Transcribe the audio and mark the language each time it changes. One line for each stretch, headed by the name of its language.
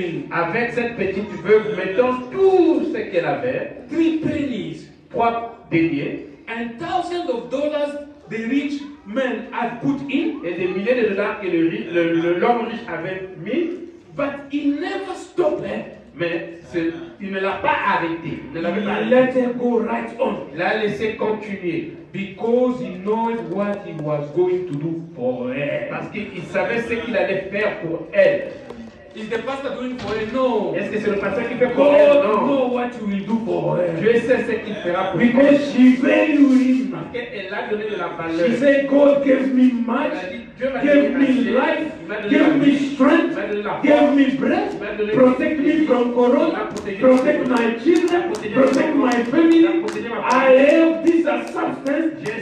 French: avec cette petite veuve, mettant tout ce qu'elle avait,
English: three pennies,
French: trois deniers,
English: and thousands of dollars the rich man had put in,
French: et des milliers de dollars que l'homme riche avait mis,
English: but he never stopped.
French: Mais il ne l'a pas arrêté.
English: Let her go right on.
French: Il l'a laissé continuer.
English: Because he knows what he was going to do for her.
French: Parce qu'il savait ce qu'il allait faire pour elle.
English: Is the pastor doing for her? No.
French: Est-ce que c'est le pasteur qui fait pour elle? Non.
English: God knows what you will do for her.
French: Dieu sait ce qu'il fera pour elle.
English: Because she value him.
French: Parce qu'elle a donné de la valeur.
English: She said, God gave me much. Give me life. Give me strength. Give me breath. Protect me from corona. Protect my children. Protect my family. I have this substance.